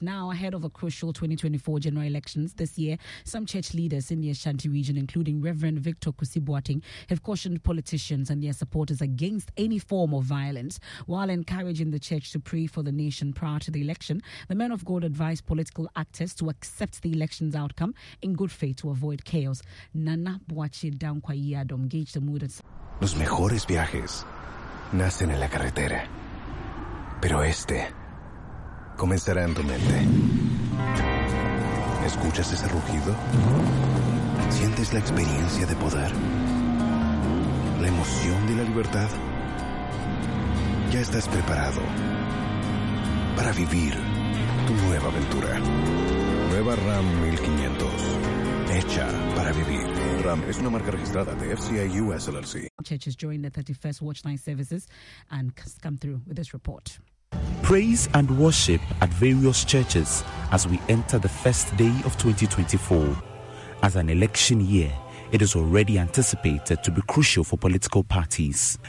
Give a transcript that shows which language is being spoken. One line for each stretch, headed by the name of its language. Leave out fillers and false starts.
English: Now, ahead of the crucial 2024 general elections this year, some church leaders in the Ashanti region, including Reverend Victor Kusibuating, have cautioned politicians and their supporters against any form of violence. While encouraging the church to pray for the nation prior to the election, the men of God advised political actors to accept the election's outcome in good faith to avoid chaos. Nana Buachi Dankwai Adom gauged the mood at...
Spanish: Los mejores viajes nacen en la carretera, pero este comenzará en tu mente. ¿Escuchas ese rugido? ¿Sientes la experiencia de poder? ¿La emoción de la libertad? Ya estás preparado para vivir tu nueva aventura. Nueva Ram 1500. Hecha para vivir. Ram es una marca registrada de FCA US LLC.
English: Church has joined the 31st Watch Night services and has come through with this report. Praise and worship at various churches as we enter the first day of 2024. As an election year, it is already anticipated to be crucial for political parties.